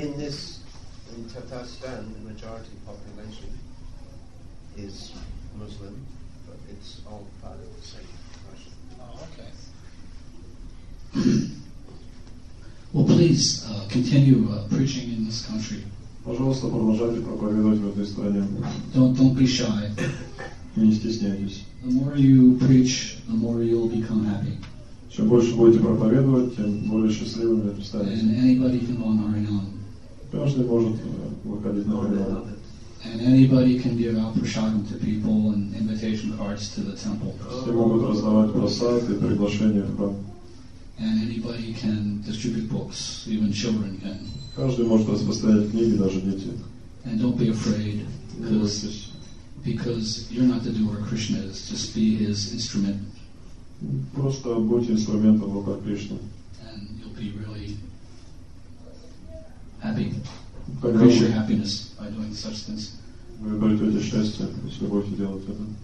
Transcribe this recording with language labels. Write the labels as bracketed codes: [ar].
[en] in this, in Tatarstan, the majority population is Muslim, but it's all part of the same Russian. Oh, okay. Well, please continue preaching in this country. [ru] Пожалуйста, продолжайте проповедовать в этой стране. [en] Don't be shy. [ru] Не стесняйтесь. [en] The more you preach, the more you'll become happy. [ru] Чем больше будете проповедовать, тем более счастливыми станете. [en] And anybody can go on Arinon. [ru] Каждый может выходить на Арианон. [en] And anybody can give out prasadam to people and invitation cards to the temple. [ru] Все могут раздавать просад и приглашения в храм. [en] And anybody can distribute books, even children can. [ru] Каждый может распространять книги, даже дети. [en] And don't be afraid, because you're not the doer Krishna is. Just be his instrument. [ru] Просто будьте инструментом Бога Кришны. [en] And you'll be really happy. Increase your happiness by doing such things. [ru] Вы обретете счастье, если будете делать это.